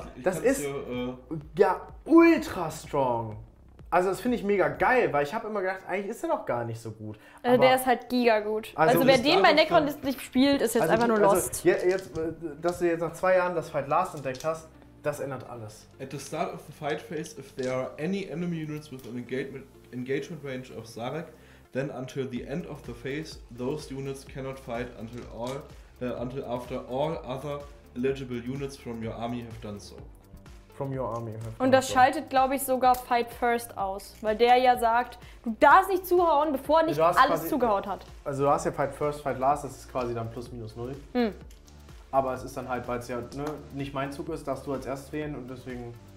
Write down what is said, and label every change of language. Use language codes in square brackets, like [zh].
[de] Das ist ja ultra strong. Also das finde ich mega geil, weil ich habe immer gedacht, eigentlich ist er noch gar nicht so gut. Also aber der ist halt giga gut. Also wer den bei Necron nicht spielt, ist jetzt also einfach nur lost. Also jetzt, dass du jetzt nach 2 Jahren das Fight Last entdeckt hast, das ändert alles. [en] At the start of the fight phase, if there are any enemy units with an engagement range of Zarek, then until the end of the phase, those units cannot fight until after all other eligible units from your army have done so. From your army. [de] Und das schaltet, glaube ich, sogar Fight First aus, weil der ja sagt, du darfst nicht zuhauen, bevor nicht alles zugehaut hat. Also du hast ja Fight First, Fight Last, das ist quasi dann plus minus null. Hm. Aber es ist dann halt, weil es ja nicht mein Zug ist, darfst du als erst wählen und deswegen.